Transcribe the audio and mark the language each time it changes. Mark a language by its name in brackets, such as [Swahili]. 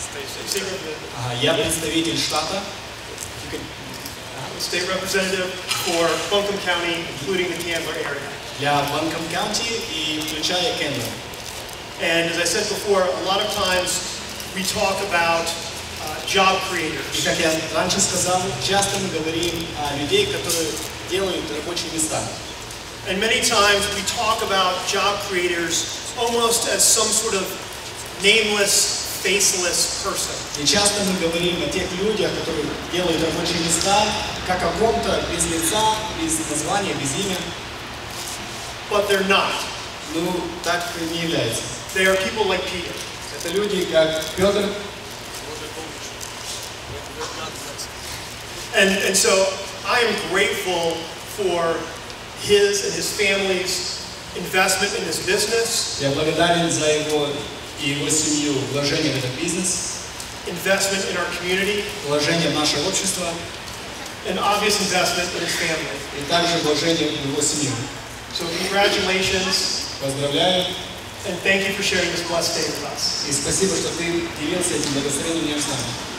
[English] state representative for Buncombe County, including the Candler area. [Russian] Yeah, Buncombe County и включая Candler. [English] And as I said before, a lot of times we talk about job creators. [Russian] И как я раньше сказал, часто мы говорим о людей, которые делают рабочие места. [English] And many times we talk about job creators almost as some sort of nameless, faceless person. [Russian] И часто мы говорим о тех людях, которые делают рабочие места, как о ком-то без лица, без названия, без имени. [English] But they're not. [Russian] Ну, так не является. [English] They are people like Peter. [Russian] Это люди как Петр. [English] And so I am grateful for his and his family's investment in this business. [Russian] Я благодарен за его и его семью вложение в этот бизнес. [English] Investment in our community. [Russian] Вложение в наше общество. [English] An obvious investment in his family. [Russian] И также вложение в его семью. [English] So congratulations. [Russian] Поздравляю. [English] And thank you for sharing this blessed day with us. [Russian] И спасибо, что ты делился этим благословением с нами.